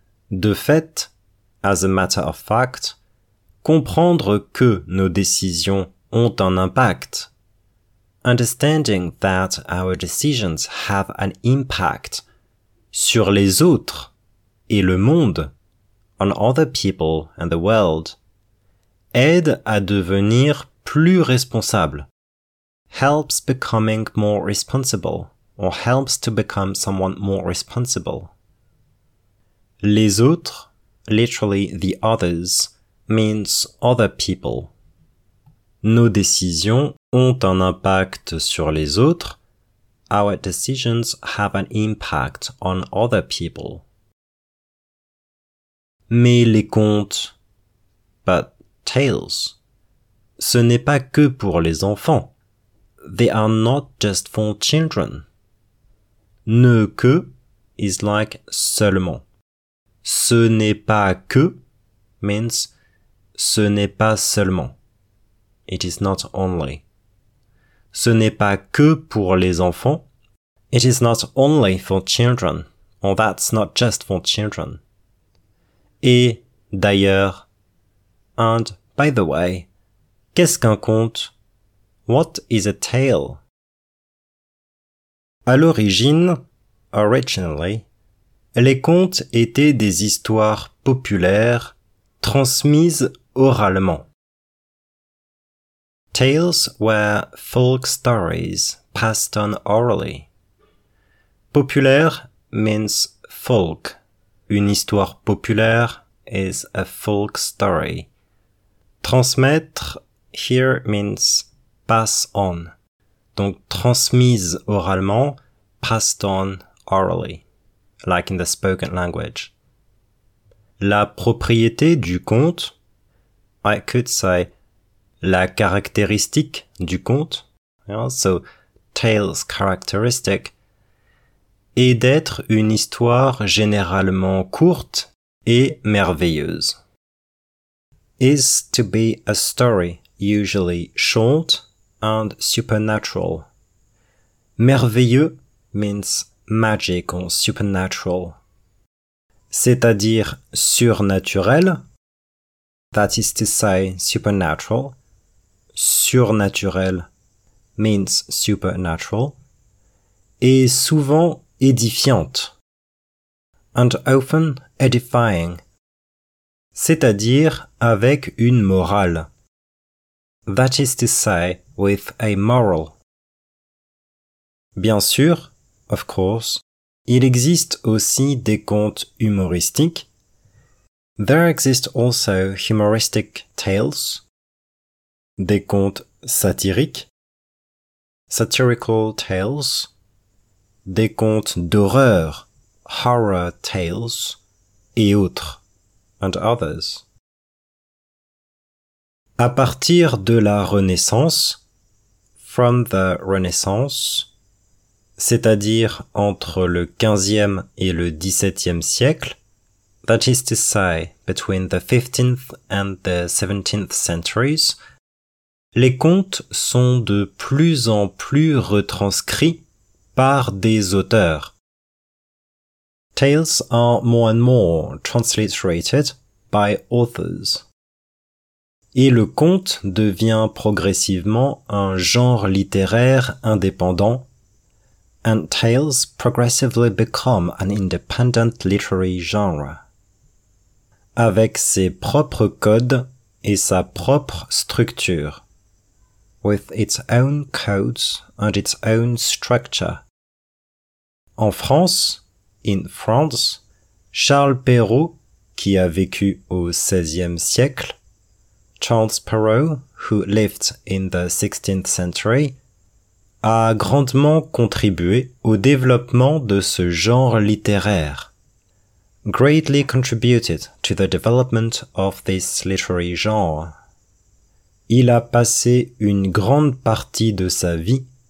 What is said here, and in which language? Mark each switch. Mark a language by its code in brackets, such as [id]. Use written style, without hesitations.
[fr] De fait, [en] as a matter of fact, [fr] comprendre que nos décisions ont un impact, [en] understanding that our decisions have an impact [fr] sur les autres et le monde, [en] on other people and the world, [fr] aide à devenir plus responsable, [en] helps becoming more responsible, or helps to become someone more responsible. [fr] Les autres, [en] literally the others, means other people. [fr] Nos décisions ont un impact sur les autres. [en] Our decisions have an impact on other people. [fr] Mais les contes, [en] but tales, [fr] ce n'est pas que pour les enfants. [en] They are not just for children. Ne que is like seulement. [fr] Ce n'est pas que [en] means [fr] ce n'est pas seulement. [en] It is not only. [fr] Ce n'est pas que pour les enfants. [en] It is not only for children. Or that's not just for children. [fr] Et d'ailleurs, [en] and by the way, [fr] qu'est-ce qu'un conte? [en] What is a tale? [fr] À l'origine, [en] originally, [fr] les contes étaient des histoires populaires transmises oralement. [en] Tales were folk stories passed on orally. Populaire means folk. [fr] Une histoire populaire [en] is a folk story. Transmettre here means pass on. [fr] Donc transmise oralement, [en] passed on orally, like in the spoken language. [fr] La propriété du conte, [en] I could say [fr] la caractéristique du conte, [en] so tale's characteristic, [fr] est d'être une histoire généralement courte et merveilleuse. [en] Is to be a story usually short and supernatural. Merveilleux means magic or supernatural. [fr] C'est-à-dire surnaturel. [en] That is to say supernatural. Surnaturel means supernatural. [fr] Et souvent édifiante. [en] And often edifying. [fr] C'est-à-dire avec une morale. [en] That is to say, with a moral. [fr] Bien sûr, [en] of course, [fr] il existe aussi des contes humoristiques. [en] There exist also humoristic tales. [fr] Des contes satiriques. [en] Satirical tales. [fr] Des contes d'horreur. [en] Horror tales. [fr] Et autres. [en] And others. [fr] À partir de la Renaissance, [en] from the Renaissance, [fr] c'est-à-dire entre le 15e et le 17e siècle, [en] that is to say, between the 15th and the 17th centuries, [fr] les contes sont de plus en plus retranscrits par des auteurs. [en] Tales are more and more transliterated by authors. [fr] Et le conte devient progressivement un genre littéraire indépendant. [en] And tales progressively become an independent literary genre. [fr] Avec ses propres codes et sa propre structure. [en] with its own codes and its own structure. [fr] En France, [en] in France, [fr] Charles Perrault, qui a vécu au XVIe siècle, Charles Perrault, [en] who lived in the 16th century, [fr] a grandement contribué au développement de ce genre littéraire. [en] Greatly contributed to the development of this literary genre. [fr] Il a passé une grande partie de sa vie.